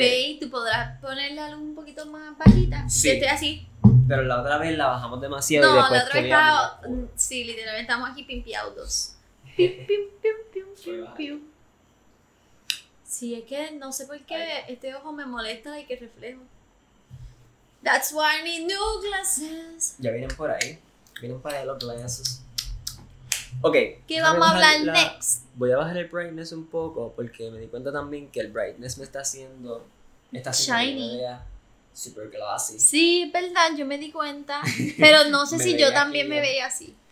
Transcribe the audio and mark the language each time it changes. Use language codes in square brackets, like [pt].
[es] Baby, tú podrás ponerle algo un poquito más bajita. Sí. Yo estoy así. Pero la otra vez la bajamos demasiado. No, y después la otra vez estaba. Sí, literalmente estamos aquí pimpiados dos. Pim, pim, pim, pim, pim, pim. Sí, es que no sé por qué este ojo me molesta y que reflejo. [en] That's why I need new glasses. [es] Ya vienen por ahí. Vienen para ahí los glasses. Ok. ¿Qué vamos a hablar next? Voy a bajar el brightness un poco porque me di cuenta también que el brightness me está haciendo. Está [en] shiny. Super glossy. [es] Sí, verdad, yo me di cuenta. Pero no sé si yo también me veía así.